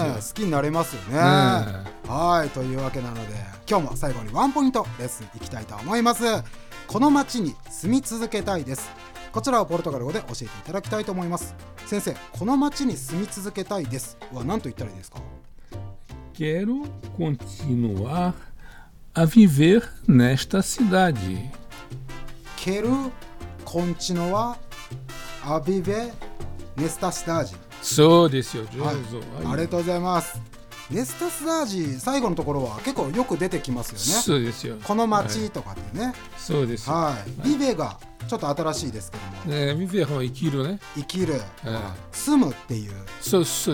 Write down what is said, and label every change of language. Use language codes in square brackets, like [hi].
[ja] ね、好きになれますよ ね。はい、というわけなので今日も最後にワンポイントレッスンいきたいと思います。この町に住み続けたいです。こちらはポルトガル語で教えていただきたいと思います。先生、この町に住み続けたいですは何と言ったらいいですか。 [pt] Quero continuar a viver nesta cidade. Quero continuar a viver nesta cidade. [ja] そうですよ、はい、ありがとうございます。ネスタスダージ最後のところは結構よく出てきますよね。そうですよ、この街とかってね、はい、そうです、はい、ビベがちょっと新しいですけども、ね、ビベは生きるね、生きる、はい、住むっていう、そうです、